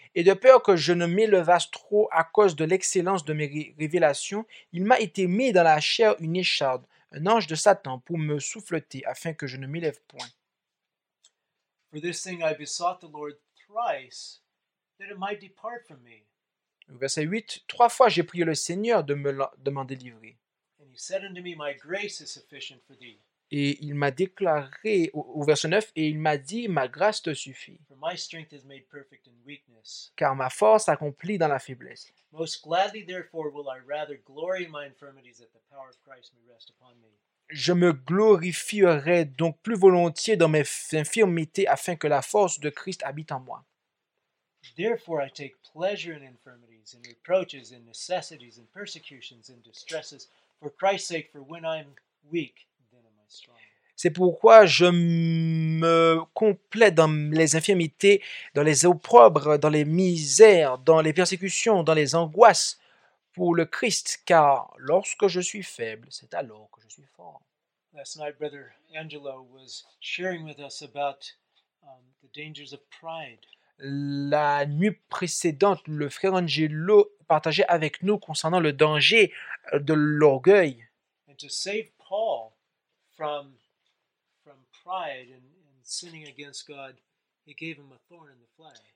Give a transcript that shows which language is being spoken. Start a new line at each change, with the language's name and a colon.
French: Et de peur que je ne m'élevasse trop à cause de l'excellence de mes révélations, il m'a été mis dans la chair une écharde, un ange de Satan, pour me souffleter, afin que je ne m'élève point.
English: For this thing I besought the Lord thrice, that it might depart from me.
French: Verset 8, trois fois j'ai prié le Seigneur de m'en délivrer.
English: And he said unto me, my grace is sufficient for thee.
French: Et il m'a déclaré, au verset 9, et il m'a dit, ma grâce te suffit.
English: For my strength is made perfect in weakness.
French: Car ma force s'accomplit dans la faiblesse.
English: Most gladly therefore will I rather glory in my infirmities, that the power of Christ may rest upon me.
French: Je me glorifierai donc plus volontiers dans mes infirmités afin que la force de Christ habite en moi.
English: Therefore I take pleasure in infirmities, in reproaches, in necessities, in persecutions, in distresses, for Christ's sake, for when I'm weak, then am I strong.
French: C'est pourquoi je me complais dans les infirmités, dans les opprobres, dans les misères, dans les persécutions, dans les angoisses pour le Christ, car lorsque je suis faible, c'est alors que je suis fort.
English: Last night, Brother Angelo was sharing with us about the dangers of pride.
French: La nuit précédente, le frère Angelo partageait avec nous concernant le danger de l'orgueil.
English: And to save Paul from pride and sinning against God, he gave him a thorn in the flesh.